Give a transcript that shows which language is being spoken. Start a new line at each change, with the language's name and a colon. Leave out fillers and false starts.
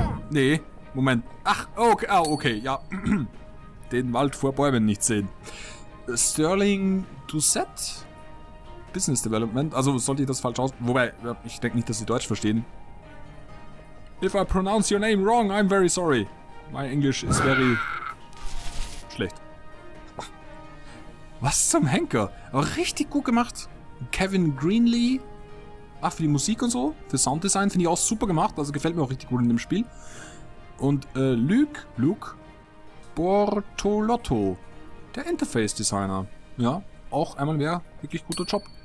German: Nee, Moment. Ach, okay, ah, okay, ja. Den Wald vor Bäumen nicht sehen. Sterling Doucette? Business Development. Also, sollte ich das falsch aus. Wobei, ich denke nicht, dass sie Deutsch verstehen.
English: If I pronounce your name wrong, I'm very sorry. My English is very
German: schlecht. Was zum Henker? Aber richtig gut gemacht. Kevin Greenlee. Ach, für die Musik und so. Für Sounddesign finde ich auch super gemacht. Also gefällt mir auch richtig gut in dem Spiel. Und Luke Bortolotto. Der Interface Designer. Ja, auch einmal mehr. Wirklich guter Job.